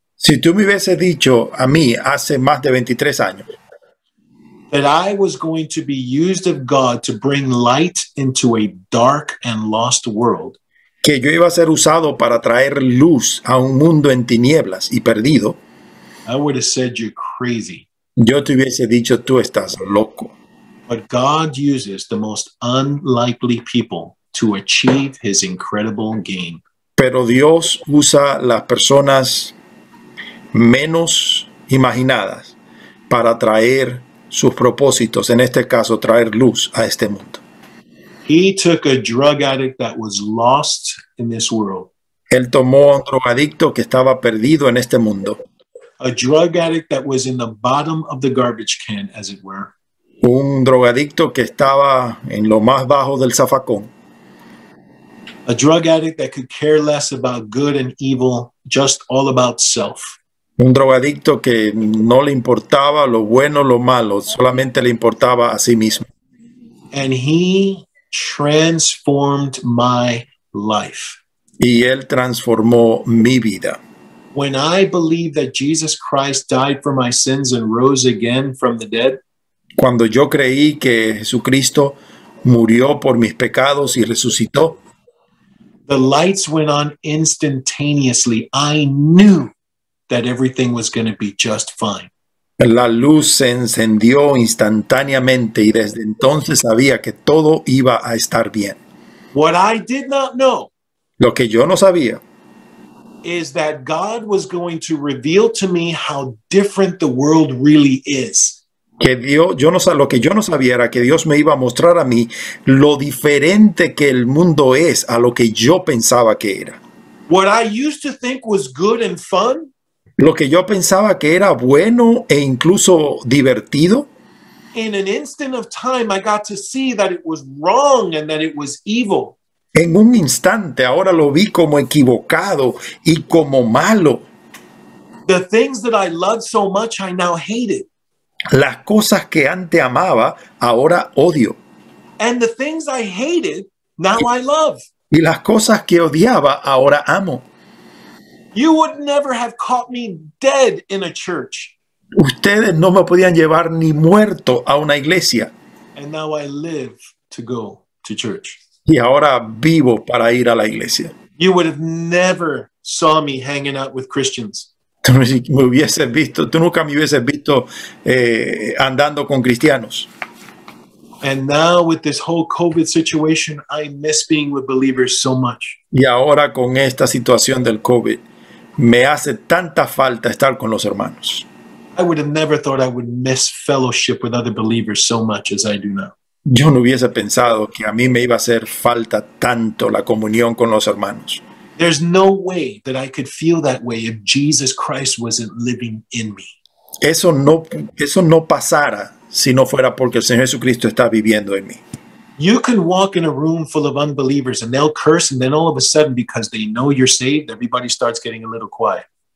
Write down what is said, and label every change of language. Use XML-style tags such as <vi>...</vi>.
<es>si tú me hubieses dicho a mí hace más de 23 años,</es> <en>that I was going to be used of God to bring light into a dark and lost world,</en> <es>que yo iba a ser usado para traer luz a un mundo en tinieblas y perdido,</es> <en>I would have said you're crazy.</en> <es>Yo te hubiese dicho, tú estás loco.</es> <en>But God uses the most unlikely people to achieve his incredible gain.</en> <es>Pero Dios usa las personas menos imaginadas para traer sus propósitos, en este caso, traer luz a este mundo.</es> <en>He took a drug addict that was lost in this world.</en> <es>Él tomó a un drogadicto que estaba perdido en este mundo.</es> <en>A drug addict that was in the bottom of the garbage can, as it were.</en> <es>Un drogadicto que estaba en lo más bajo del zafacón.</es> <en>A drug addict that could care less about good and evil, just all about self.</en> <es>Un drogadicto que no le importaba lo bueno o lo malo, solamente le importaba a sí mismo.</es> <en>And he transformed my life.</en> <es>Y él transformó mi vida.</es> <en>When I believe that Jesus Christ died for my sins and rose again from the dead,</en> <es>cuando yo creí que Jesucristo murió por mis pecados y resucitó,</es> <en>the lights went on instantaneously. I knew that everything was going to be just fine.</en> <es>La luz se encendió instantáneamente y desde entonces sabía que todo iba a estar bien.</es> <en>What I did not know,</en> <es>lo que yo no sabía,</es> <en>is that God was going to reveal to me how different the world really is.</en> <es>Que Dios, yo no sabía, lo que yo no sabía era que Dios me iba a mostrar a mí lo diferente que el mundo es a lo que yo pensaba que era.</es> <en>What I used to think was good and fun,</en> <es>lo que yo pensaba que era bueno e incluso divertido,</es> <en>in an instant of time I got to see that it was wrong and that it was evil.</en> <es>En un instante, ahora lo vi como equivocado y como malo.</es> <en>The things that I loved so much, I now hate it.</en> <es>Las cosas que antes amaba, ahora odio.</es> <en>And the things I hated, now I love.</en> <es>Y las cosas que odiaba, ahora amo.</es> <en>You would never have caught me dead in a church.</en> <es>Ustedes no me podían llevar ni muerto a una iglesia.</es> <en>And now I live to go to church.</en> <es>Y ahora vivo para ir a la iglesia.</es> <en>You would have never saw me hanging out with Christians.</en> <es>Tú nunca me hubieses visto andando con cristianos.</es> <en>And now with this whole COVID situation, I miss being with believers so much.</en> <es>Y ahora con esta situación del COVID, me hace tanta falta estar con los hermanos.</es> <en>I would have never thought I would miss fellowship with other believers so much as I do now.</en> <es>Yo no hubiese pensado que a mí me iba a hacer falta tanto la comunión con los hermanos.</es> <en>There's no way that I could feel that way if Jesus Christ wasn't living in me.</en> <es>Eso no pasara si no fuera porque el Señor Jesucristo está viviendo en mí.</es> <en>You can walk in a room full of unbelievers and they'll curse, and then all of a sudden, because they know you're saved, everybody starts getting a little quiet.</en>